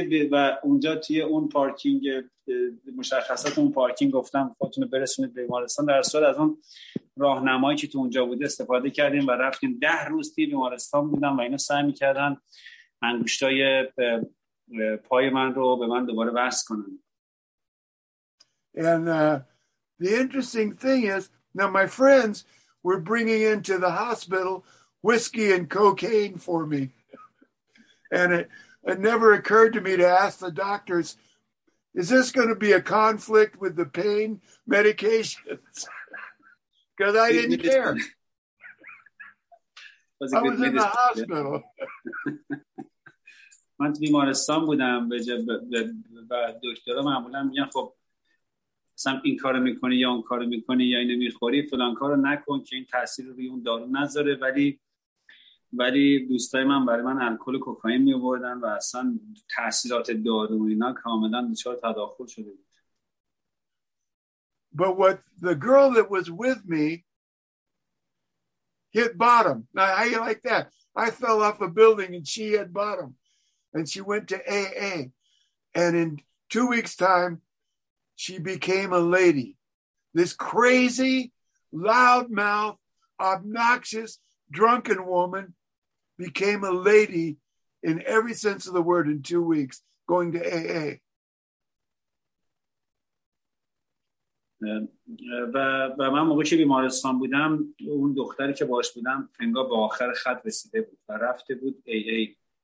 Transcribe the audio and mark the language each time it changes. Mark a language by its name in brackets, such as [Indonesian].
[Persian] و اونجا توی اون پارکینگ مشخصات اون پارکینگ گفتم خودتون برسونید به بیمارستان. در صورت از اون راهنمایی که تو اونجا بوده استفاده کردیم و رفتیم. 10 روز توی بیمارستان بودم و اینا سعی میکردن انگوشتای پای من رو به من دوباره بست کنن. [English] And the interesting thing is now my friends were bringing into the hospital whiskey and cocaine for me. And it never occurred to me to ask the doctors, is this going to be a conflict with the pain medications? Because I didn't care. I was in the hospital. [Persian] من توی بیمارستان بودم و دکترها معمولا میگن خب مثلا این کارو میکنی یا اون کارو میکنی یا اینو میخوری فلان کارو نکن که این تاثیر روی اون دارو نذاره. ولی دوستای من برای من الکل و کوکائین میوردن و اصلا تاثیرات دارو اینا کاملا دچار تداخل شده بود. [English] But what the girl that was with me hit bottom. Now, how you like that? I fell off a building and she hit bottom. And she went to AA. And in 2 weeks' time, she became a lady. This crazy, loudmouth, obnoxious, drunken woman became a lady in every sense of the word in 2 weeks, going to AA. [Persian] و من موقعی که بیمارستان بودم اون دختری که باش بودم انگار به آخر خط رسیده بود و رفته بود AA.